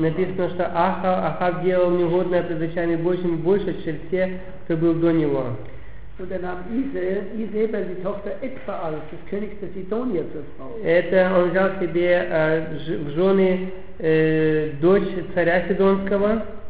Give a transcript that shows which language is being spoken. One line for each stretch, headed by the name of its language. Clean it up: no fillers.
Russian: Написано, что Ахав делал неугодное пред очами Божьими больше, чем все, кто был до него.
German: Und der Name Isabel, die Tochter Ekbaals, des Königs der Sidonier zur Frau.
Russian: Это он взял себе в жены дочь царя Сидонского.